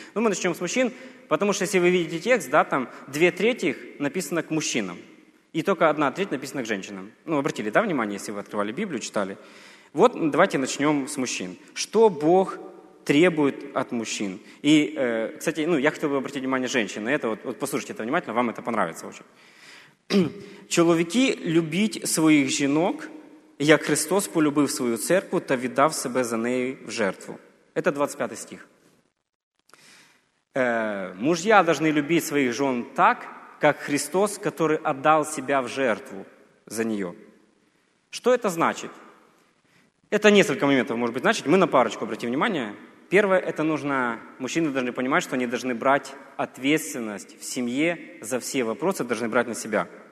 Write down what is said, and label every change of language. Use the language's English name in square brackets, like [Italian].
[Russian] Но мы начнем с мужчин, потому что если вы видите текст, да, там две трети написано к мужчинам. И только одна треть написана к женщинам. Обратили, да, внимание, если вы открывали Библию, читали. Вот давайте начнем с мужчин. Что Бог требует от мужчин? И, кстати, я хотел бы обратить внимание женщин на это. Вот послушайте это внимательно, вам это понравится очень. «Человеки, любить своих женок, [Ukrainian] як Христос полюбив свою церкву та віддав себе за неї в жертву». [Russian] Это 25 стих. Мужья должны любить своих жен так, как Христос, который отдал себя в жертву за нее. Что это значит? Это несколько моментов может быть значит. Мы на парочку обратим внимание. Первое, это нужно, мужчины должны понимать, что они должны брать ответственность в семье за все вопросы, должны брать на себя.